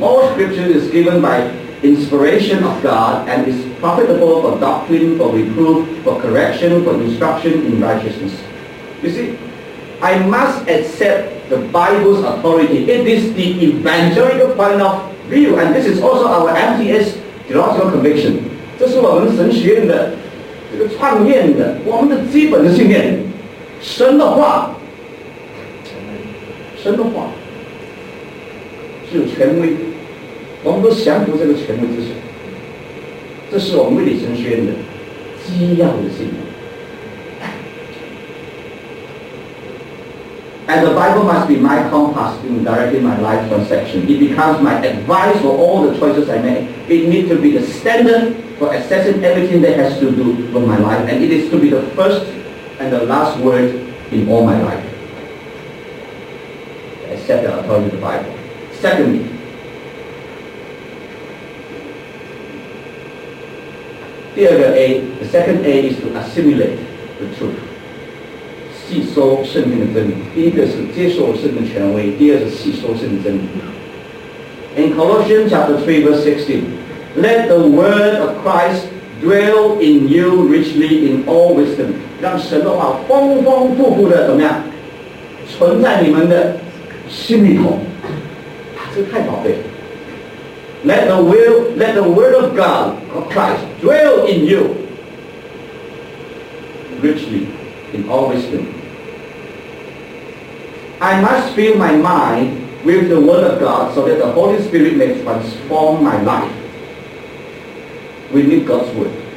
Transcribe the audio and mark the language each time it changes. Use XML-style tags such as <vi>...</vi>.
<en>All scripture is given by inspiration of God and is profitable for doctrine, for reproof, for correction, for instruction in righteousness. You see, I must accept the Bible's authority. It is the evangelical point of view, and this is also our MTS theological conviction.</en> <zh>这是我们神学院的这个创建的我们的基本的信念。神的话，神的话是有权威，我们都降服这个权威之下。这是我们为理神学院的基要的信念。</zh> <en>And the Bible must be my compass in directing my life transaction. It becomes my advice for all the choices I make. It needs to be the standard for assessing everything that has to do with my life. And it is to be the first and the last word in all my life. Accept the authority of the Bible. Secondly, the second A is to assimilate the truth.</en> <zh>吸收圣经的真理，第一个是接受圣经的权威，第二是吸收圣经的真理。</zh> <en>In Colossians chapter 3 verse 16, let the word of Christ dwell in you richly in all wisdom.</en> <zh>让神的话丰丰富富的怎么样存在你们的心里头，这太宝贝了。</zh> <en>Let the word of God of Christ dwell in you richly in all wisdom. I must fill my mind with the Word of God so that the Holy Spirit may transform my life. We need God's Word.</en>